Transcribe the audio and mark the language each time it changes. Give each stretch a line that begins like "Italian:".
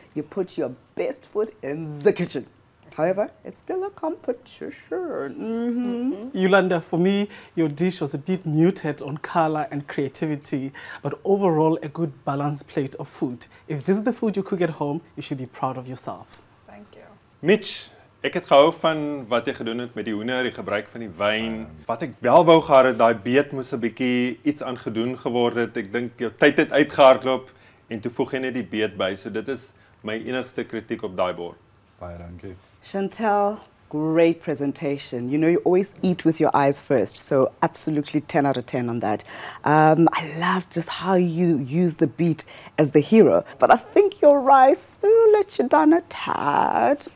English: You put your best foot in the kitchen. However, it's still a competition. Yolanda, for me, your dish was a bit muted on color and creativity, but overall a good balanced plate of food. If this is the food you cook at home, you should be proud of yourself. Thank you.
Afrikaans: Mitch, ek het gehou van wat jy gedoen het met die hoender, die gebruik van die wyn. Wat ek wel wou gehad het, daai beet moes 'n bietjie iets aangedoen geword het. Ek dink jou tyd het uitgehardloop en toe voeg jy net die beet by. So dit is my enigste kritiek op daai bord. Baie dankie.
English: Chantel, great presentation. You know, you always eat with your eyes first, so absolutely 10 out of 10 on that. I love just how you use the beet as the hero, but I think your rice will let you down a tad.